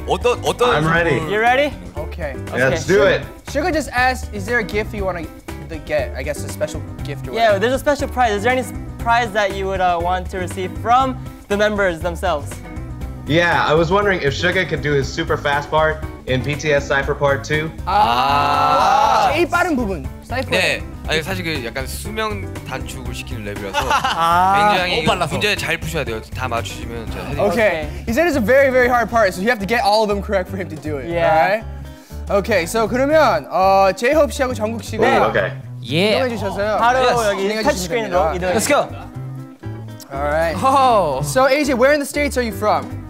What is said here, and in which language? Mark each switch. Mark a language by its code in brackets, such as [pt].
[ko] 어떤 [en] I'm ready. You ready? Okay. Let's do it. Sugar just asked, is there a gift you want to get? I guess a special gift or whatever. Yeah, there's a special prize. Is there any prize that you would want to receive from the members themselves? Yeah, I was wondering if Sugar could do his super fast part in BTS Cypher Part 2. [ko] 아, 제일 빠른 부분, 사이퍼. 네. 아니 사실 그 약간 수명 단축을 시키는 랩이라서 굉장히 문제 잘 푸셔야 돼요. 다 맞추시면 제가 해드릴게요. [en] Okay. He said it's a very very hard part, so you have to get all of them correct for him to do it. Yeah. Alright. Okay. So [ko] 그러면 J-Hope 씨하고 정국 씨가 [en] okay. [ko] 이동해주셨어요. 바로 여기 터치스크린으로 이동. [en] Let's go. Alright. So AJ, where in the states are you from?